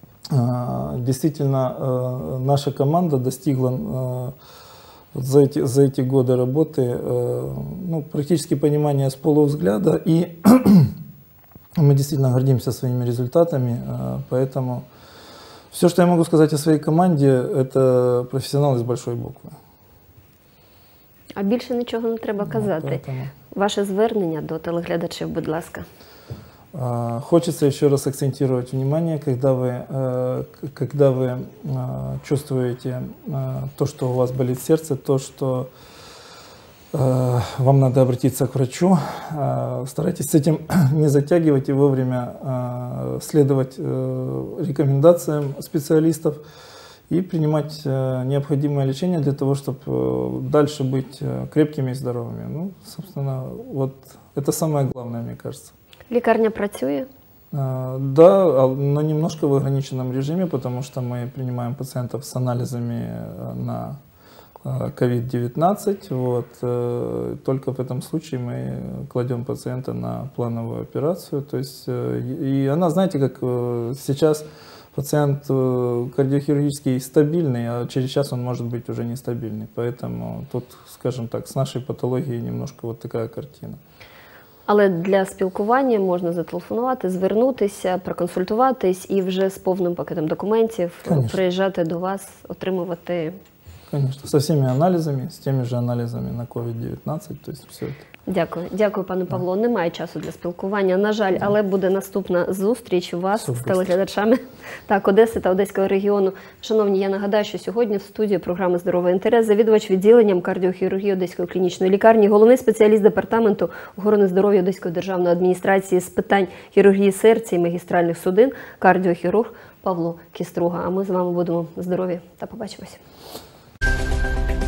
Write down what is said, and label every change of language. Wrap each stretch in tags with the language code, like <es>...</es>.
<ru>Действительно, наша команда достигла за эти годы работы, ну, практически понимания с полувзгляда, и мы действительно гордимся своими результатами, поэтому... Все, что я могу сказать о своей команде, это профессионалы с большой буквы. А больше ничего не</ru> <uk>треба казати.</uk> <ru>Поэтому...</ru> <uk>Ваше звернення до телеглядачів, будь ласка.</uk> <ru>Хочется еще раз акцентировать внимание, когда вы чувствуете то, что у вас болит сердце, то, что вам надо обратиться к врачу, старайтесь с этим не затягивать и вовремя следовать рекомендациям специалистов и принимать необходимое лечение для того, чтобы дальше быть крепкими и здоровыми. Ну, собственно, вот это самое главное, мне кажется.</ru> <uk>Лекарня працює?</uk> <ru>Да, но немножко в ограниченном режиме, потому что мы принимаем пациентов с анализами на COVID-19, вот, только в этом случае мы кладем пациента на плановую операцию, то есть, и она, знаете, как сейчас пациент кардиохирургически стабильный, а через час он может быть уже нестабильный, поэтому тут, скажем так, с нашей патологией немножко вот такая картина.</ru> <uk>Але для спілкування можна зателефонувати, звернутися, проконсультуватись і вже з повним пакетом документів приїжджати до вас, отримувати...</uk> <ru>Конечно, со всеми анализами, с теми же анализами на COVID-19, то есть все это.</ru> <uk>Дякую. Дякую, пане Павло. Да. Немає часу для спілкування, на жаль, але буде наступна зустріч у вас з телеглядачами так, Одеси та Одеського регіону. Шановні, я нагадаю, що сьогодні в студії програми «Здоровий інтерес» завідувач відділенням кардіохірургії Одеської клінічної лікарні, головний спеціаліст департаменту охорони здоров'я Одеської державної адміністрації з питань хірургії серця і магістральних судин, кардіохірург Павло Кіструга. А ми з вами будемо здорові та побачимось.</uk> <en>We'll be right back.</en>